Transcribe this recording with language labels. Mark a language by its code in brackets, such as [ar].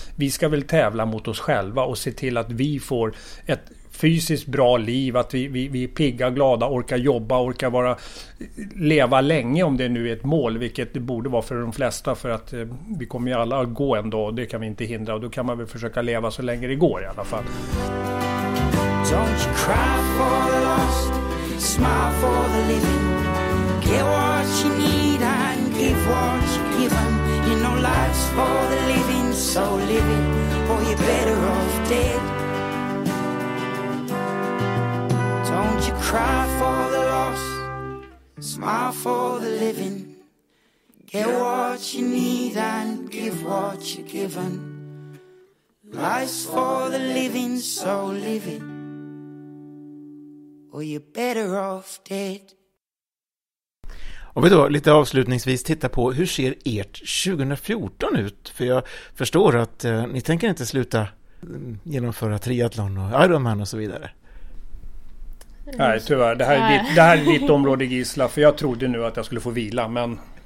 [sv] Vi ska väl tävla mot oss själva och se till att vi får ett fysiskt bra liv, att vi är pigga, glada, orkar jobba, orkar vara, leva länge, om det nu är ett mål, vilket det borde vara för de flesta, för att vi kommer ju alla att gå ändå, och det kan vi inte hindra, och då kan man väl försöka leva så länge det går i alla fall. [en] Don't you cry for the lost, smile for the living, get what you need and give what you're given, you know life's for the living, so living, or you're better off dead. Don't you cry for the lost, smile for the living, get what you need and give what you're given, life's for the living, so live it, or you're better off dead. [sv] Om vi då lite avslutningsvis tittar på hur ser ert 2014 ut? För jag förstår att ni tänker inte sluta genomföra triathlon och Ironman och så vidare. Nej, tyvärr. Det här är ditt område, Gisla, för jag trodde nu att jag skulle få vila, men...